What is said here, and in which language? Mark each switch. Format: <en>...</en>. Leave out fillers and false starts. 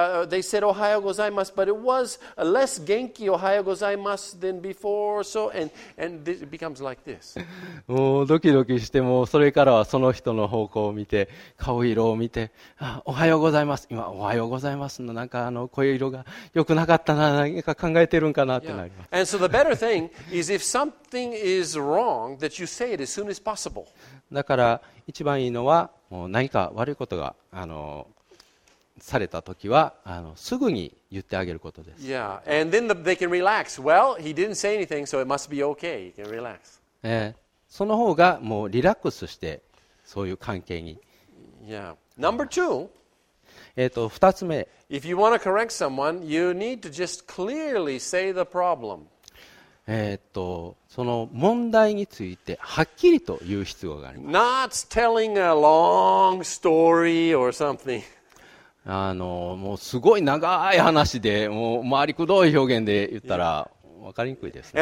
<en>They said</en> <ja>Ohayou gozaimasu,</ja> <en>but it was a less genki Ohayou gozaimasu than before. So and it becomes like this.</en> <ja>もうドキドキしてもそれからはその人の方向を見て顔色を見ておはようございます。今おはようございますのなんか声色が良くなかったな何か考えてるんかなってなります。</ja> <en>And so the better thing is if something is wrong that you say it as soon as possible.</en> <ja>だから一番いいのはもう何か悪いことがされたときはすぐに言ってあげることです。</ja> <en>Yeah, and then they can relax. Well, he didn't say anything, so it must be okay. You can relax.</en> <ja>その方がもうリラックスしてそういう関係に。</ja> <en>Yeah. Number two.</en> <ja>二つ目。</ja> <en>If you want to correct someone, you need to just clearly say the problem.</en> <ja>その問題についてはっきりと言う必要があります。</ja> <en>Not telling a long story or something.</en> <ja>もうすごい長い話でもう回りくどい表現で言ったら分かりにくいですね。</ja>